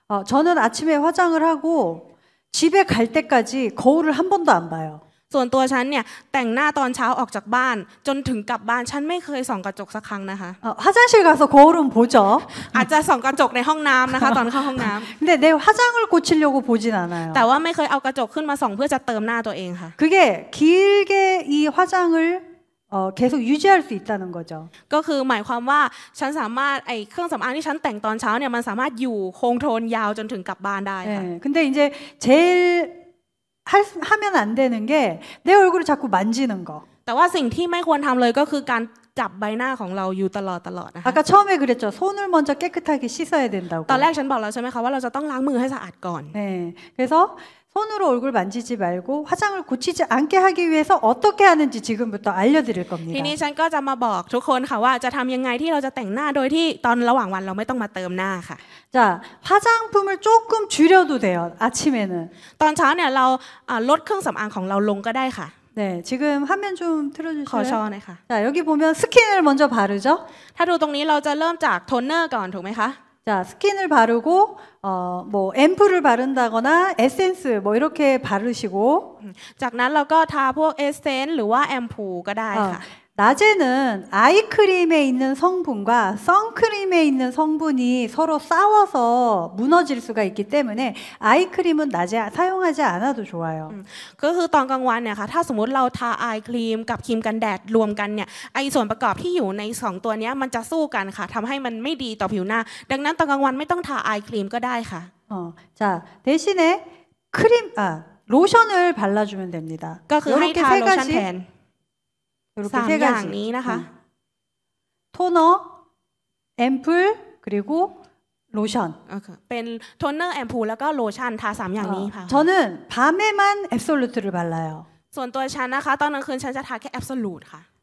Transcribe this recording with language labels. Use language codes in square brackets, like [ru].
[ko] 저는아침에화장을하고집에갈때까지거울을한번도안봐요 [th] ส่วนตัวฉันเนี่ยแต่งหน้าตอนเช้าออกจากบ้านจนถึงกลับบ้านฉันไม่เคยส่องกระจกสักครั้งนะคะ [ko] 화장실가서거울은보죠 [th] อาจจะส่องกระจกในห้องน้ำนะคะตอนเข้าห้องน้ำ [ko] 근데내화장을고치려고보진않아요 [th] แต่ว่าไม่เคยเอากระจกขึ้นมาส่องเพื่อจะเติมหน้าตัวเองค่ะ [ko] 그게길게이화장을계속유지할수있다는거죠 [th] ก็คือหมายความว่าฉันสามารถไอ้เครื่องสำอางที่ฉันแต่งตอนเช้าเนี่ยมันสามารถอยู่คงทนยาวจนถึงกลับบ้านได้ค่ะ [ko] 근데이제제일하면안되는게내얼굴을자꾸만지는거 [th] แต่ว่าสิ่งที่ไม่ควรทําเลยก็คือการจับใบหน้าของเราอยู่ตลอดนะคะ [ko] 아까처음에그랬죠손을먼저깨끗하게씻어야된다고 [th] ตอนแรกฉันบอกแล้วใช่มั้ยคะว่าเราจะต้องล้างมือให้สะอาดก่อน [ko] 네그래서손으로얼굴만지지말고화장을고치지않게하기위해서어떻게하는지지금부터알려드릴겁니다 [th] ทีนี้ฉันก็จะมาบอกทุกคนค่ะว่าจะทํายังไงที่เราจะแต่งหน้าโดยที่ตอนระหว่างวันเราไม่ต้องมาเติมหน้าค่ะ [ko] 자화장품을조금줄여도돼요아침에는 [th] ตอนเช้าเนี่ยเราลดเครื่องสําอางของเราลงก็ได้ค่ะ [ko] 네지금화면좀틀어주세요 [th] ขอช้อนหน่อยค่ะ [ko] 자여기보면스킨을먼저바르죠 [th] ถ้าดูตรงนี้เราจะเริ่มจากโทนเนอร์ก่อนถูกมั้ยคะ [ko] 자스킨을바르고뭐앰플을바른다거나에센스뭐이렇게바르시고 [th] จากนั้นเราก็ทาพวกเอสเซนส์หรือว่าแอมพูลก็ได้ค่ะ [ko] 낮에는아이크림에있는성분과선크림에있는성분이서로싸워서무너질수가있기때문에아이크림은낮에사용하지않아도좋아요 [th] 그คือตอนกลางวันเนี่ยค่ะถ้าสมมุติเราทาอายครีมกับครีมกันแดดรวมกันเนี่ยไอส่วนประกอบที่อยู่ใน2ตัวนี้มันจะสู้กันค่ะทําให้มันไม่ดีต่อผิวหน้าดังนั้นตอนกลางวันไม่ต้องทาอายครีมก็ได้ค่ะ [ko] 자대신에크림아로션을발라주면됩니다 [th] ก็คือให้ทาโลชั่นแทนสามอย่างนี้นะคะ โทนเนอร์แอมพูล [ko] 그리고 [th] โลชั่น เป็นโทนเนอร์แอมพูลแล้วก็โลชั่นทาสามอย่างนี้ค่ะ [ko] 저는밤에만앱솔루트를발라요 [th] ส่วนตัวฉันนะคะตอนกลางคืนฉันจะทาแค่แอบโซลูทค่ะ